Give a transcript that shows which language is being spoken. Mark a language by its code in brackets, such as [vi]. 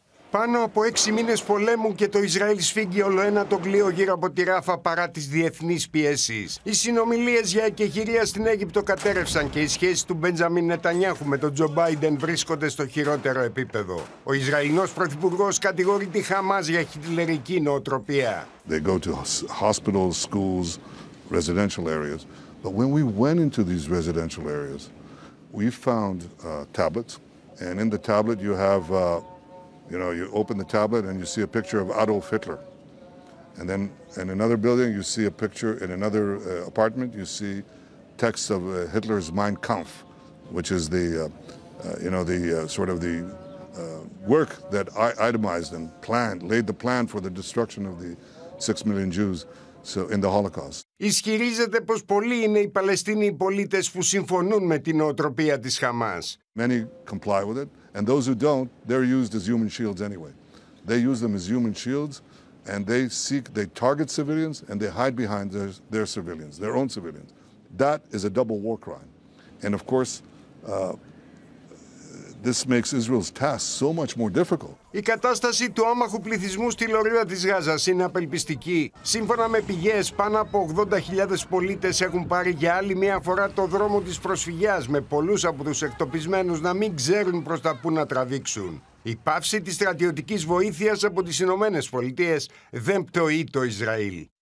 [el] Πάνω από 6 μήνες πολέμου και το Ισραήλ σφίγγει ολοένα το κλοίο γύρω από τη Ράφα παρά τις διεθνείς πιέσεις. Οι συνομιλίες για εκεχηρία στην Αίγυπτο κατέρευσαν και οι σχέσεις του Μπέντζαμιν Νετανιάχου με τον Τζο Μπάιντεν βρίσκονται στο χειρότερο επίπεδο. Ο Ισραηλινός Πρωθυπουργός κατηγορεί τη Χαμάς για χιτλερική νοοτροπία. [en] They go to hospitals, schools, residential areas. But when we went into these residential areas, we found tablets. And in the tablet you have you open the tablet and you see a picture of Adolf Hitler. And then in another building you see a picture, in another apartment you see text of Hitler's Mein Kampf, which is the work that I itemized and planned, laid the plan for the destruction of the 6 million Jews. [el] Ισχυρίζεται πως πολλοί είναι οι Παλαιστίνιοι πολίτες που συμφωνούν με την νοοτροπία της Χαμάς. [en] Many comply with it, and those who don't, they're used as human shields anyway. They use them as human shields, and they target civilians and they hide behind their civilians, their own civilians. That is a double war crime, and of course, this makes Israel's task so much more difficult. [el] Η κατάσταση του άμαχου πληθυσμού στη λωρίδα της Γάζας είναι απελπιστική. Σύμφωνα με πηγές, πάνω από 80.000 πολίτες έχουν πάρει για άλλη μια φορά το δρόμο της προσφυγιάς, με πολλούς από τους εκτοπισμένους να μην ξέρουν προς τα πού να τραβήξουν. Η πάυση της στρατιωτικής βοήθειας από τις Ηνωμένες Πολιτείες δεν πτωεί το Ισραήλ.